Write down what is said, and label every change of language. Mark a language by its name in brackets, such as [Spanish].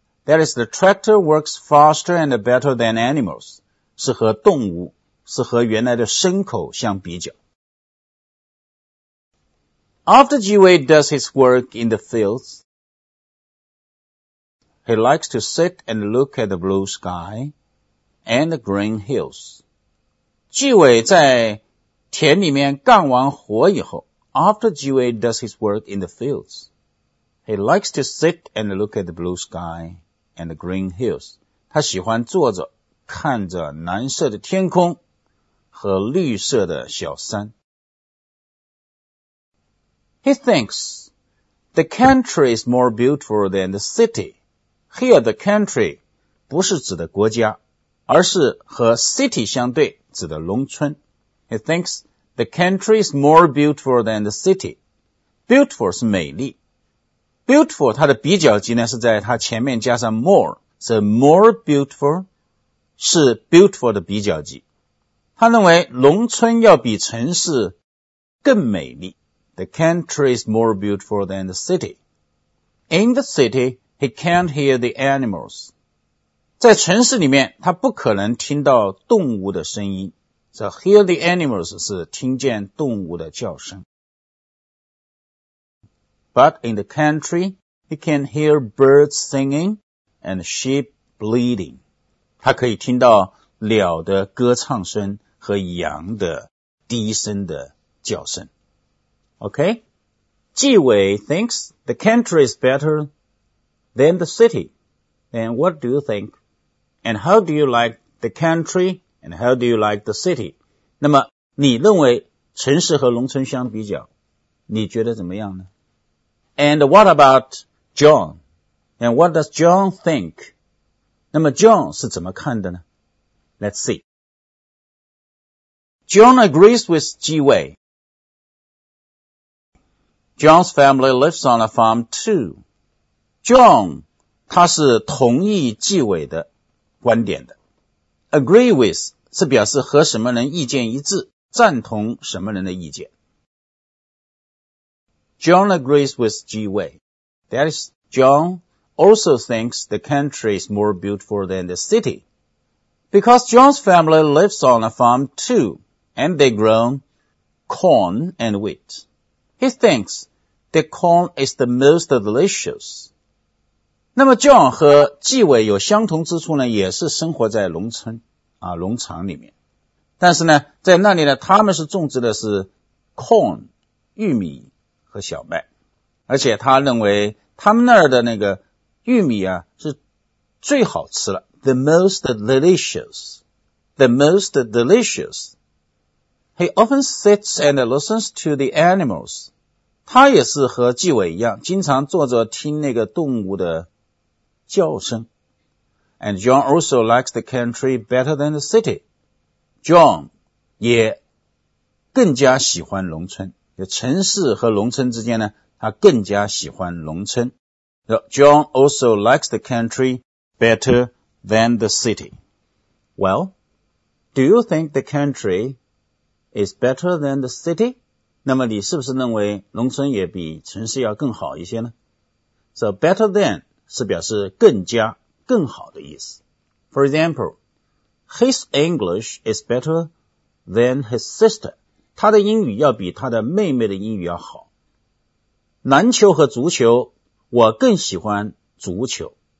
[English] That is, the tractor works faster and better than animals. [Chinese] 是和动物，是和原来的牲口相比较。 [English] After Jiwei does his work in the fields, he likes to sit and look at the blue sky and the green hills. [Chinese] 纪伟在田里面干完活以后 [English] After 纪伟 does his work in the fields, he likes to sit and look at the blue sky and the green hills. [Chinese] 他喜欢坐着看着蓝色的天空和绿色的小山。 [English] He thinks the country is more beautiful than the city. Here the country [Chinese] 不是指的国家而是和 city 相对。指的农村 [English] He thinks the country is more beautiful than the city. [Chinese] Beautiful 是美丽 Beautiful 它的比较级呢是在它前面加上 more [English] So more beautiful [Chinese] 是 beautiful 的比较级他认为农村要比城市更美丽 [English] The country is more beautiful than the city. In the city, he can't hear the animals. [Chinese] 在城市里面他不可能听到动物的声音 [English] So hear the animals [Chinese] 是听见动物的叫声 [English] But in the country he can hear birds singing and sheep bleeding [Chinese] 他可以听到鸟的歌唱声和羊的低声的叫声 [English] OK 纪伟 thinks the country is better than the city Then what do you thinkAnd how do you like the country? And how do you like the city? [Chinese] 那么你认为城市和农村相比较你觉得怎么样呢 [English] And what about John? And what does John think? [Chinese] 那么 John 是怎么看的呢 [English] Let's see. John agrees with Ji Wei. John's family lives on a farm too. [Chinese] John 他是同意纪伟的观点的 [English] agree with 是表示和什么人意见一致赞同什么人的意见 John agrees with Ji Wei That is John also thinks the country is more beautiful than the city Because John's family lives on a farm too And they grow corn and wheat He thinks the corn is the most delicious [Chinese] 那么 John 和纪伟有相同之处呢也是生活在农村啊农场里面。但是呢在那里呢他们是种植的是 corn, 玉米和小麦。而且他认为他们那儿的那个玉米啊是最好吃了。 [English] The most delicious. The most delicious. He often sits and listens to the animals. [Chinese] 他也是和纪伟一样经常坐着听那个动物的叫声 [English] And John also likes the country better than the city. [Chinese] John 也更加喜欢农村。城市和农村之间呢他更加喜欢农村。 [English] John also likes the country better than the city. Well, do you think the country is better than the city? [Chinese] 那么你是不是认为农村也比城市要更好一些呢 [English] So better than, [Chinese] 是表示更加更好的意思。 [English] For example, his English is better than his sister. [Chinese] 他的英语要比他的妹妹的英语要好。篮球和足球，我更喜欢足球。